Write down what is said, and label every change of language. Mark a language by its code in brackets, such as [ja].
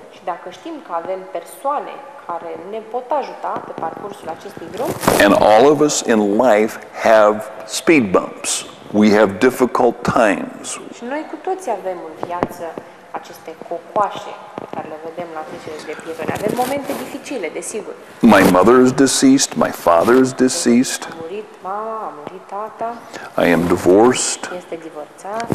[ro] Și dacă știm că avem persoane care ne pot ajuta pe parcursul acestui drum. [en] And all of us in life have speed bumps. We have difficult times. [ro] Și noi cu toții avem în viață aceste cocoașe care le vedem la trecere de pietoni. Avem momente dificile, desigur. [en] My mother is deceased, my father is deceased. [ro] A murit mama, a murit tata. [en] I am divorced. [ro] Este divorțat.